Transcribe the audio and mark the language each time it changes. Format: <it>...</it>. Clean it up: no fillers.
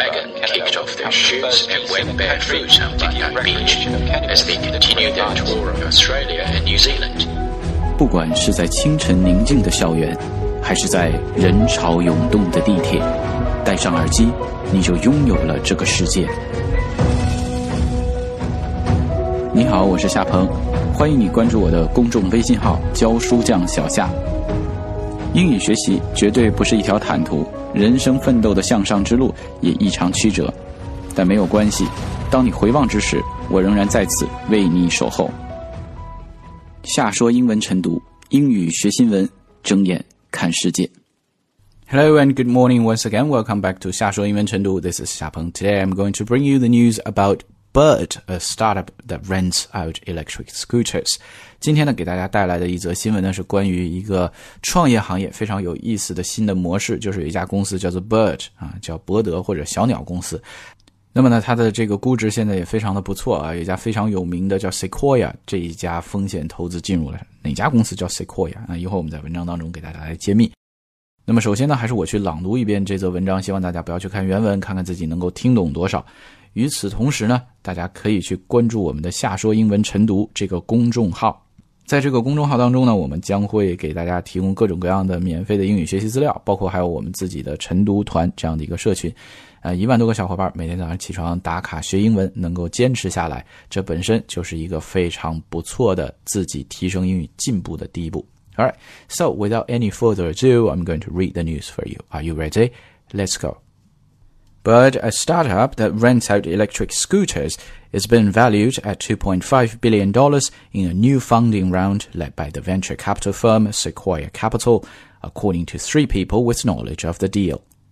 <en>Meghan kicked off their shoots and went barefoot on Bundy Beach as they continued their tour of Australia and New Zealand.</en> <zh>不管是在清晨宁静的校园，还是在人潮涌动的地铁，戴上耳机，你就拥有了这个世界。你好，我是夏鹏，欢迎你关注我的公众微信号教书匠小夏。英语学习绝对不是一条坦途，人生奋斗的向上之路也异常曲折，但没有关系，当你回望之时，我仍然在此为你守候。夏说英文晨读，英语学新闻，睁眼看世界。</zh> <en>Hello and good morning once again. Welcome back to 夏说英文晨读。This is 夏鹏。 Today I'm going to bring you the news about Bird, a startup that rents out electric scooters.</en> <zh>今天呢，给大家带来的一则新闻呢，是关于一个创业行业非常有意思的新的模式，就是有一家公司叫做 Bird, 啊，叫伯德或者小鸟公司。那么呢，它的这个估值现在也非常的不错啊，有一家非常有名的叫 Sequoia, 这一家风险投资进入了。哪家公司叫 Sequoia? 那一会儿我们在文章当中给大家来揭秘。那么首先呢，还是我去朗读一遍这则文章，希望大家不要去看原文，看看自己能够听懂多少。与此同时呢，大家可以去关注我们的夏说英文晨读这个公众号。在这个公众号当中呢，我们将会给大家提供各种各样的免费的英语学习资料，包括还有我们自己的晨读团这样的一个社群。一万多个小伙伴每天早上起床打卡学英文，能够坚持下来，这本身就是一个非常不错的自己提升英语进步的第一步。</zh> <en>Alright, so without any further ado, I'm going to read the news for you. Are you ready? Let's go. Bird, a startup that rents out electric scooters, has been valued at $2.5 billion in a new funding round led by the venture capital firm Sequoia Capital, according to three people with knowledge of the deal.</en>